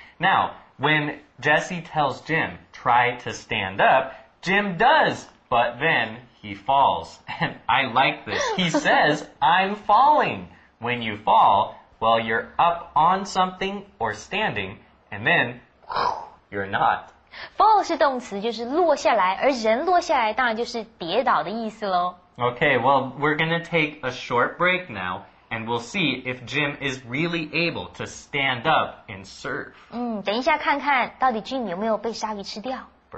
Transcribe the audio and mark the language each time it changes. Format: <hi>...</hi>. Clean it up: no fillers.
<en>Now, when Jesse tells Jim, try to stand up, Jim does, but then he falls. And I like this. He says, I'm falling. When you fall, well, you're up on something or standing, and then you're not.</en> <zh>Fall 是动词，就是落下来，而人落下来当然就是跌倒的意思咯。</zh> <en>Okay, well, we're gonna take a short break now, and we'll see if Jim is really able to stand up and surf.</en> <zh>等一下看看到底 Jim 有没有被鲨鱼吃掉。</zh>